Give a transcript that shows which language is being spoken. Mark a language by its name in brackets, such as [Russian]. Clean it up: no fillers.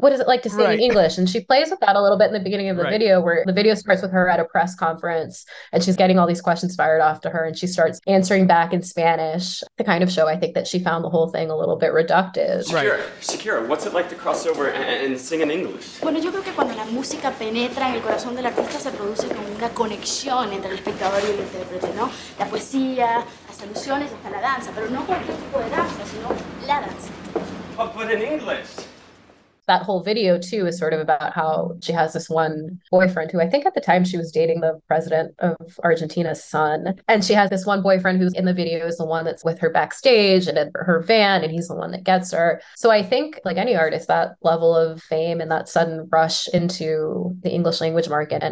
[English] What is it like to sing in English? And she plays with that a little bit in the beginning of the video, where the video starts with her at a press conference and she's getting all these questions fired off to her. And she starts answering back in Spanish, the kind of show I think that she found the whole thing a little bit reductive. Shakira, what's it like to cross over and sing in English? [Spanish] Bueno, yo creo que cuando la música penetra en el corazón del artista se produce como una conexión entre el espectador y el intérprete, ¿no? La poesía, las alusiones, hasta la danza, pero no cualquier tipo de danza, sino la danza. [English] But in English. That whole video too is sort of about how she has this one boyfriend who I think at the time she was dating the president of Argentina's son. And she has this one boyfriend who's in the video is the one that's with her backstage and in her van, and he's the one that gets her. So I think like any artist, that level of fame and that sudden rush into the English language market.